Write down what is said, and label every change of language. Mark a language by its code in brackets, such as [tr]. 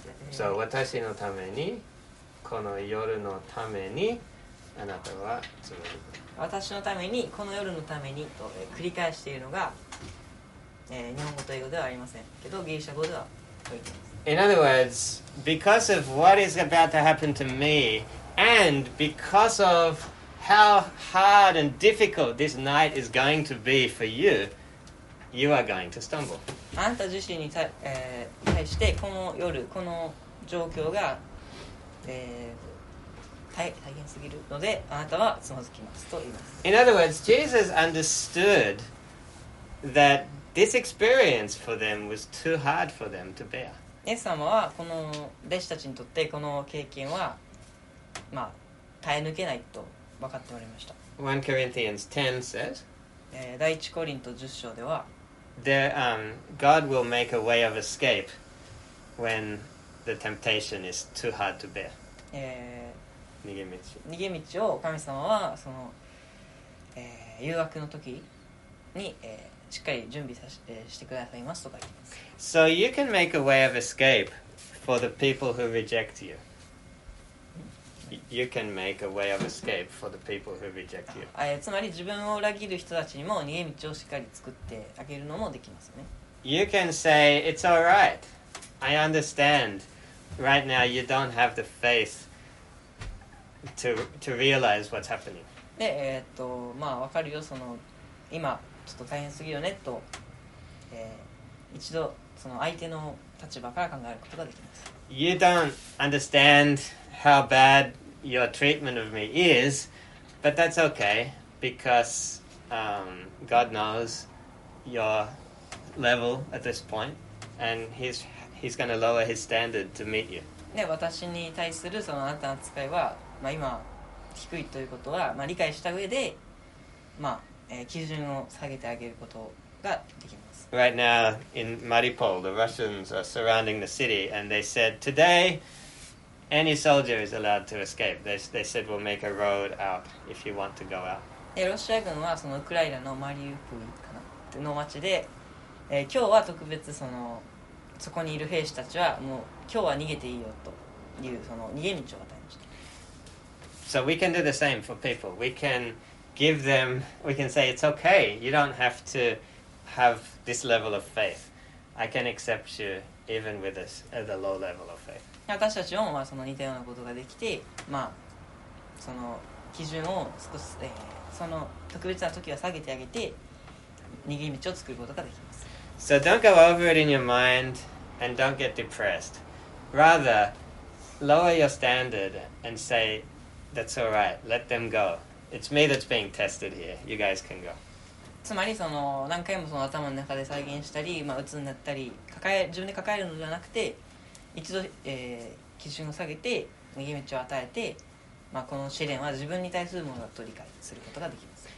[ja] So, 私のために、この夜のために、あなたはつまり。私のために、この夜のためにと、繰り返しているのが、日本語と英語ではありませんけど、ギリシャ語では。 [en] In other words, because of what is about to happen to me, and because of how hard and difficult this night is going to be for you, you are going to stumble. [ja] あなた自身に対して、この夜、この状況が、大変すぎるので、あなたはつまずきますと言います。 [en] In other words, Jesus understood that this experience for them was too hard for them to bear. [ja] イエス様はこの弟子たちにとってこの経験は、まあ、耐え抜けないと分かっておりました。 [en] 1 Corinthians 10 says, [ja] 第1コリント10章では、 [en] God will make a way of escape when the temptation is too hard to bear. [ja] 逃げ道を神様はその、誘惑の時に、しっかり準備させ、してくださいますとか言います。 [en] So you can make a way of escape for the people who reject you. You can make a way of escape for the people who reject you. [ja] つまり自分を裏切る人たちにも逃げ道をしっかり作ってあげるのもできますね。 [en] You can say, it's all right. I understand. Right now, you don't have the faith to realize what's happening. [ja] で、まあ、わかるよ。その、今、ちょっと大変すぎるよねと、一度、その相手の立場から考えることができます。 [en] You don't understand how bad... Your treatment of me is, but that's okay because God knows your level at this point, and He's going to lower His standard to meet you. [ja] ね、私に対するそのあなたの扱いは、まあ今低いということは、まあ理解した上で、まあ、基準を下げてあげることができます。 [en] Right now in Mariupol, the Russians are surrounding the city, and they said today. Any soldier is allowed to escape. They said we'll make a road out if you want to go out. [ja] ロシア軍はそのウクライナのマリウポリかなの町で、今日は特別そのそこにいる兵士たちはもう今日は逃げていいよというその逃げ道を与えました。 [en] So we can do the same for people. We can give them. We can say it's okay. You don't have to have this level of faith. I can accept you even with this at a low level of faith. [ja] 私たちもその似たようなことができて、まあ、その基準を少し、その特別な時は下げてあげて、逃げ道を作ることができます。 [en] So don't go over it in your mind and don't get depressed. Rather, lower your standard and say, that's all right, let them go. It's me that's being tested here. You guys can go. [ja] つまりその何回もその頭の中で再現したり、まあ、鬱になったり自分で抱えるのではなくて一度、基準を下げて逃げ道を与えて、まあ、この試練は自分に対するものだと理解することができます。